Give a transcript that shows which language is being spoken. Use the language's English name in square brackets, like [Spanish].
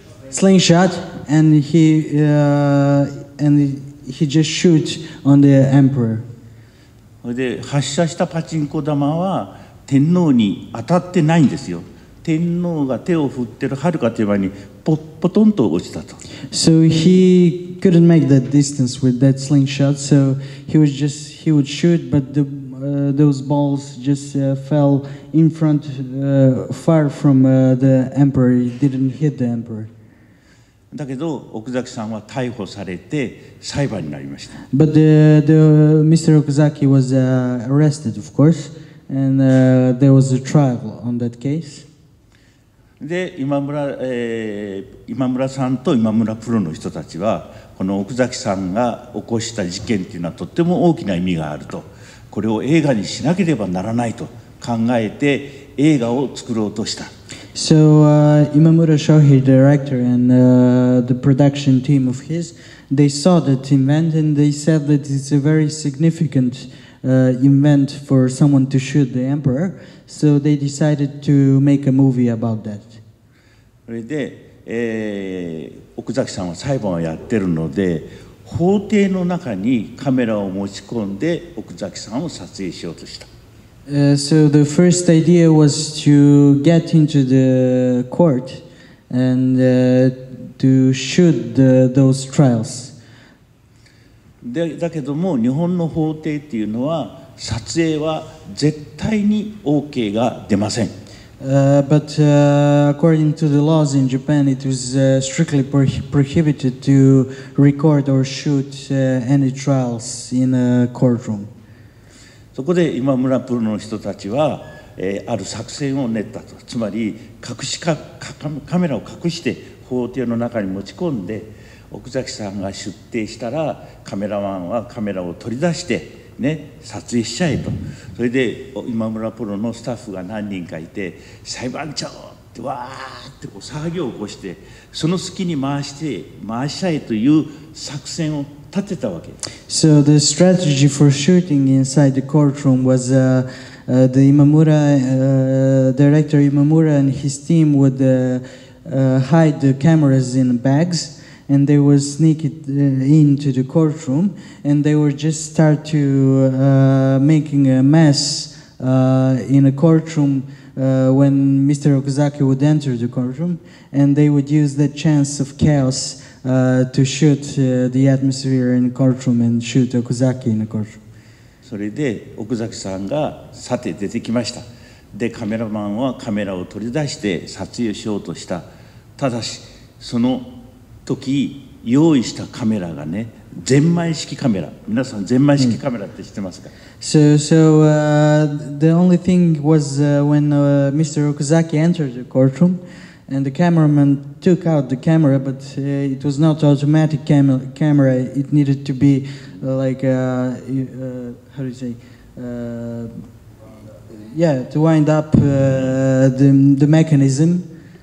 [English] Slingshot, and he just shoot on the Emperor. [Japanese] で、発射したパチンコ玉は天皇に当たってないんですよ。天皇が手を振ってる遥か手前にポトンと落ちたと。 [English] So he couldn't make that distance with that slingshot, so he would shoot, but those balls just fell in front, far from the emperor. He didn't hit the emperor. [Japanese] だけど奥崎さんは逮捕されて裁判になりました。 [English] But Mr. Okuzaki was arrested, of course. And there was a trial on that case. [Japanese] で、今村さんと今村プロの人たちはこの奥崎さんが起こした事件というのはとっても大きな意味があると、これを映画にしなければならないと考えて映画を作ろうとした。 [English] So, 今村翔平 director and the production team of his, they saw that event and they said that it's a very significantevent for someone to shoot the emperor, so they decided to make a movie about that. [Japanese] それで、奥崎さんは裁判をやってるので、法廷の中にカメラを持ち込んで奥崎さんを撮影しようとした。 [English] So the first idea was to get into the court and to shoot those trials. [Japanese] で、だけども日本の法廷っていうのは撮影は絶対に OK が出ません。 [English] But according to the laws in Japan, it was strictly prohibited to record or shoot any trials in a courtroom. [Japanese] そこで今村プロの人たちは、ある作戦を練ったと。つまり隠しカメラを隠して法廷の中に持ち込んで、奥崎さんが出廷したらカメラマンはカメラを取り出して、ね、撮影しちゃえと。それで今村プロのスタッフが何人かいて裁判長ってわーってこう騒ぎを起こして、その隙に回しちゃえという作戦を立てたわけ。 [English] So the strategy for shooting inside the courtroom was the Imamura, director Imamura and his team would hide the cameras in bags. And they were sneaking into the courtroom, and they were just start to making a mess in a courtroom when Mr. Okuzaki would enter the courtroom, and they would use that chance of chaos to shoot the atmosphere in the courtroom and shoot Okuzaki in the courtroom. [Japanese] それで奥崎さんがさて出てきました。で、カメラマンはカメラを取り出して撮影しようとした。ただし、その時用意したカメラがね、ゼンマイ式カメラ、皆さんゼンマイ式カメラって知ってますか？ [English] So the only thing was when Mr. Okuzaki entered the courtroom and the cameraman took out the camera, but it was not automatic camera, it needed to be like how do you say to wind up the mechanism.